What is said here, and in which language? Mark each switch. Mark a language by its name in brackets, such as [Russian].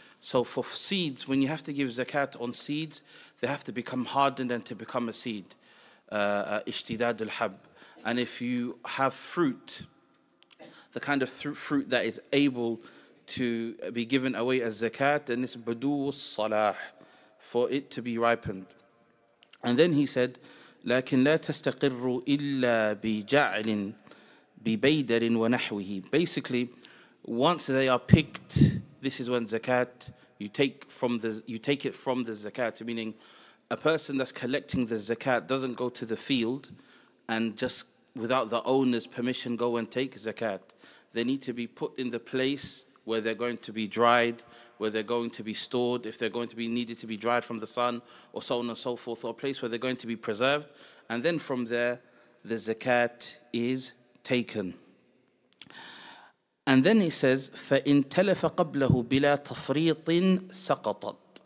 [English] So for seeds, when you have to give zakat on seeds, they have to become hardened and to become a seed. [Arabic] اشتداد الحب. [English] And if you have fruit, the kind of fruit that is able to be given away as zakat, then it's [Arabic] بدو الصلاح, [English] for it to be ripened. [Arabic] And then he said, لَكِنْ لَا تَسْتَقِرُّ إِلَّا بِجَعْلٍ بِبَيْدَرٍ وَنَحْوِهِ. [English] Basically, once they are picked, this is when zakat, you take it from the zakat, meaning a person that's collecting the zakat doesn't go to the field and just without the owner's permission go and take zakat. They need to be put in the place where they're going to be dried, where they're going to be stored, if they're going to be needed to be dried from the sun, or so on and so forth, or a place where they're going to be preserved. And then from there, the zakat is taken. [Arabic] And then he says, فَإِن تَلَفَ قَبْلَهُ بِلَا تَفْرِيطٍ سَقَطَتْ.